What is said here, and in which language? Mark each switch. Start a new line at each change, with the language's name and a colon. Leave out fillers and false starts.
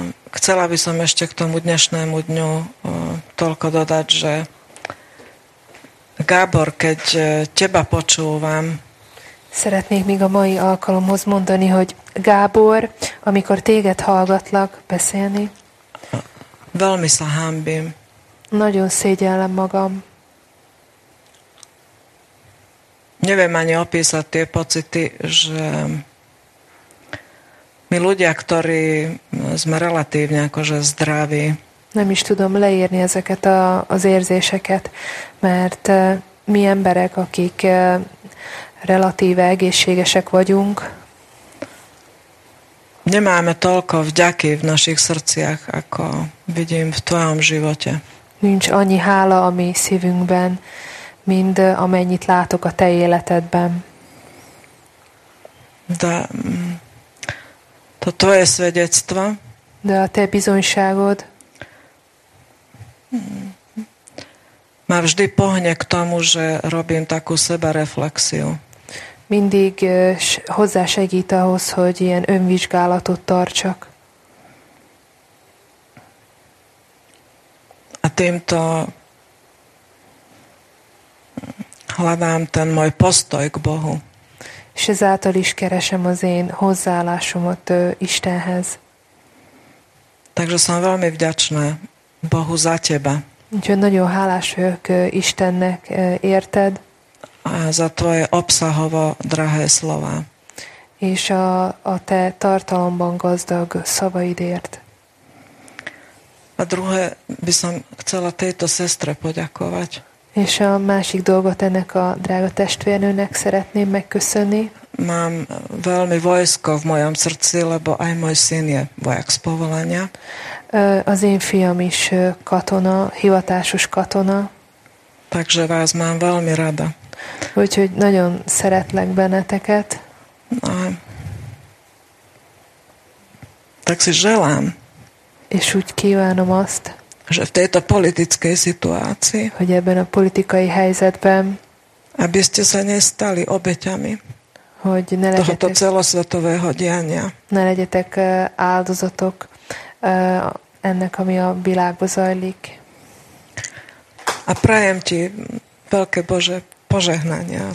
Slovak: Chcela by som ešte k tomu dnešnému dňu toľko dodať, že Gábor, keď teba počúvam,
Hungarian: szeretnék még a mai alkalomhoz mondani, hogy Gábor, amikor téged hallgatlak beszélni,
Slovak: veľmi sa hámbim.
Hungarian: Nagyon szégyellem magam.
Slovak: Neviem ani opísať tie pocity, že my ľudia, ktorí sme relatívne akože zdraví,
Hungarian: nem is tudom leírni ezeket az érzéseket, mert mi emberek, akik relatíve egészségesek vagyunk.
Slovak: Nemáme toľko vďaky v našich srdciach, ako vidím v tvojom živote.
Hungarian: Nincs annyi hála a mi szívünkben, mint amennyit látok a te életedben.
Slovak: De to tvoje svedectvo.
Hungarian: De a te bizonyságod.
Slovak: Ma vždy pohne k tomu, že robím takú sebareflexiu.
Hungarian: Mindig hozzásegít ahhoz, hogy ilyen önvizsgálatot tartsak.
Slovak: A týmto hľadám ten môj postoj k Bohu.
Hungarian: És ezáltal is keresem az én hozzáállásomat Istenhez.
Slovak: Takže som veľmi vďačná Bohu za teba.
Hungarian: Úgyhogy nagyon hálás vagyok Istennek, érted?
Slovak: A za tvoje obsahovo drahé slova.
Hungarian: És a te tartalomban gazdag szavaidért.
Slovak: A druhé by som chcela tejto sestre poďakovať.
Hungarian: És a másik dolgot ennek a drága testvérnőnek szeretném megköszönni.
Slovak: Mám veľmi vojsko v mojom srdci, lebo aj môj syn je vojak z povolania.
Hungarian: Az én fiam is katona, hivatásos katona.
Slovak: Takže vás mám veľmi rada.
Hungarian: Úgyhogy nagyon szeretlek benneteket.
Slovak: Na, tak si želám.
Hungarian: És úgy kívánom azt,
Slovak: že v tejto politickej situácii,
Hungarian: hogy ebben a politikai helyzetben,
Slovak: aby ste sa nestali obeťami,
Hungarian: hogy ne legyetek,
Slovak: tohoto celosvetového diania.
Hungarian: Ne legyetek áldozatok ennek, ami a világba zajlik.
Slovak: A prajem ti, veľké Bože, požehnania.